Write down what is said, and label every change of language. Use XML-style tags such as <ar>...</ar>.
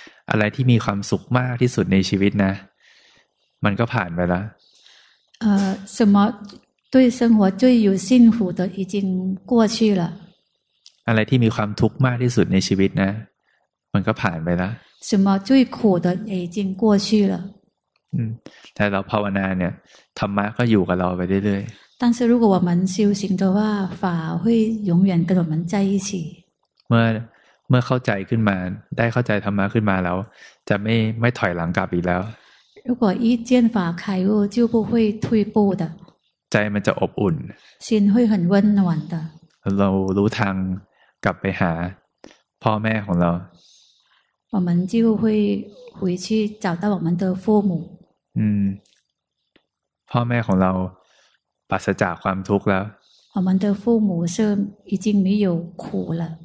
<th>อะไรที่มีความสุขมากที่สุดในชีวิตนะมันก็ผ่านไปแล้ว</th> <zh>什么对生活最有幸福的已经过去了</zh> <th>อะไรที่มีความทุกข์มากที่สุดในชีวิตนะมันก็ผ่านไปแล้ว</th> <zh>什么最苦的已经过去了</zh> <th>แต่เราภาวนาเนี่ยธรรมะก็อยู่กับเราไปเรื่อย ๆแต่ถ้าเราภาวนาจริงๆแล้วว่าฝ่าจะอยู่กับเราไปเรื่อยๆ เมื่อเข้าใจขึ้นมาได้เข้าใจธรรมะขึ้นมาแล้วจะไม่ถอยหลังกลับอีกแล้ว ถ้าเราได้เห็นฝ่าใครก็จะไม่ถอยหลัง ใจมันจะอบอุ่น ใจจะอบอุ่น เรารู้ทางกลับไปหาพ่อแม่ของเรา เราจะไปหาพ่อแม่ของเรา พ่อแม่ของเราปราศจากความทุกข์แล้ว</th> <zh>我们的父母是已经没有苦了</zh>